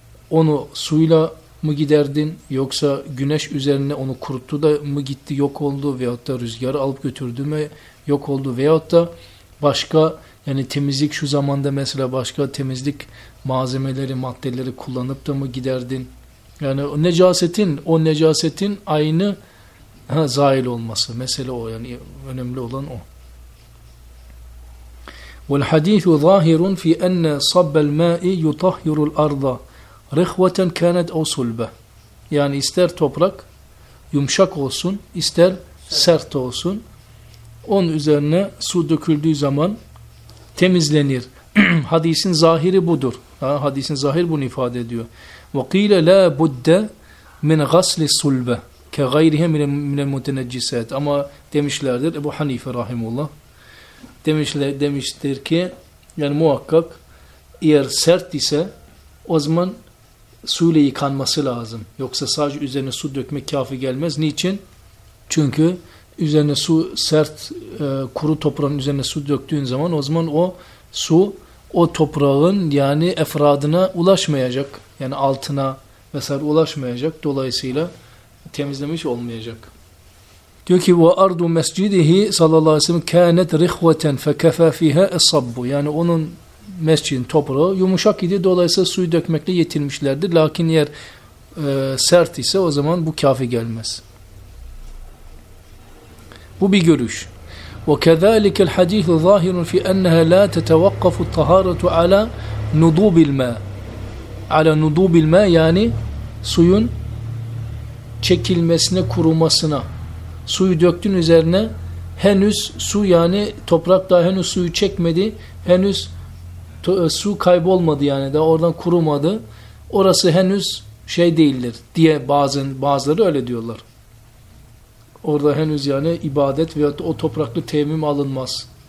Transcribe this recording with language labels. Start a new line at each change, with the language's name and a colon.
Turkish: Onu suyla mı giderdin yoksa güneş üzerine onu kuruttu da mı gitti yok oldu veyahut da rüzgarı alıp götürdü mü yok oldu veyahut da başka yani temizlik şu zamanda mesela başka temizlik malzemeleri maddeleri kullanıp da mı giderdin? Yani o necasetin aynı zahil olması mesele o yani önemli olan o.
Arabic: والحديث ظاهر في أن صب الماء يطهر الأرض رخوة كانت أو صلبة.
Turkish: يعني ister toprak yumuşak olsun ister sert olsun onun üzerine su döküldüğü zaman temizlenir. Hadisin zahiri budur. Hadisin zahir bunu ifade ediyor.
Arabic: وقيل لا بد من غسل الصلبة كغيرها من المتنجسات.
Turkish: Ama demişlerdir Ebu Hanife rahimullah. Demiştir ki yani muhakkak eğer sert ise o zaman suyla yıkanması lazım. Yoksa sadece üzerine su dökmek kafi gelmez. Niçin? Çünkü üzerine su sert kuru toprağın üzerine su döktüğün zaman o zaman o su o toprağın yani efradına ulaşmayacak. Yani altına vesaire ulaşmayacak. Dolayısıyla temizlemiş olmayacak. Diyor ki
Arabic: وَاَرْضُ مَسْجِدِهِ sallallahu aleyhi ve sellem كَانَتْ رِخْوَةً فَكَفَى فِيهَا اَصَّبُّ.
Turkish: Yani onun mescidin toprağı yumuşak idi. Dolayısıyla suyu dökmekle yetinmişlerdi. Lakin yer sert ise o zaman bu kafi gelmez. Bu bir görüş.
Arabic: وَكَذَٰلِكَ الْحَدِيثُ ظَاهِرٌ فِي أَنَّهَا لَا تَتَوَقَّفُ الطَّهَارَةُ عَلَى نُضُوبِ الْمَا عَلَى نُضُوبِ الْمَا
Turkish: yani suyun çekilmesine, kurumasına. Suyu döktün üzerine henüz su yani toprak daha henüz suyu çekmedi. Henüz su kaybolmadı yani daha oradan kurumadı. Orası henüz şey değildir diye bazıları öyle diyorlar. Orada henüz yani ibadet veyahut o topraklı temim alınmaz.